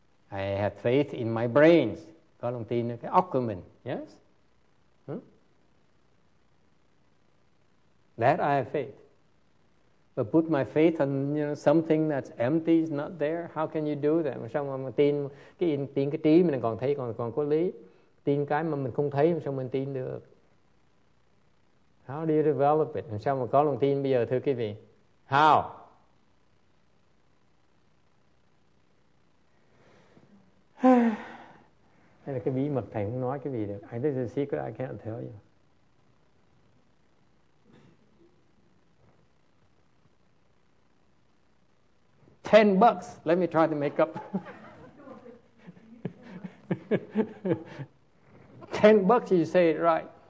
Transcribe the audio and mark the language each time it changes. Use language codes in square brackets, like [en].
[en] I have faith in my brains. [vi] Có lòng tin nữa. Cái óc của mình. Yes? [en] That I have faith. But put my faith on, you know, something that's empty, is not there. How can you do that? [vi] Sao mà mình tin cái trí mình còn thấy còn có lý, tin cái mà mình không thấy, sao mình tin được? [en] How do you develop it? [vi] Sao mà có lòng tin bây giờ thưa quý vị? How? Đây là cái bí mật thầy không nói quý vị được. [en] This is a secret I can't tell you. $10. Let me try to make up. $10. You say it right.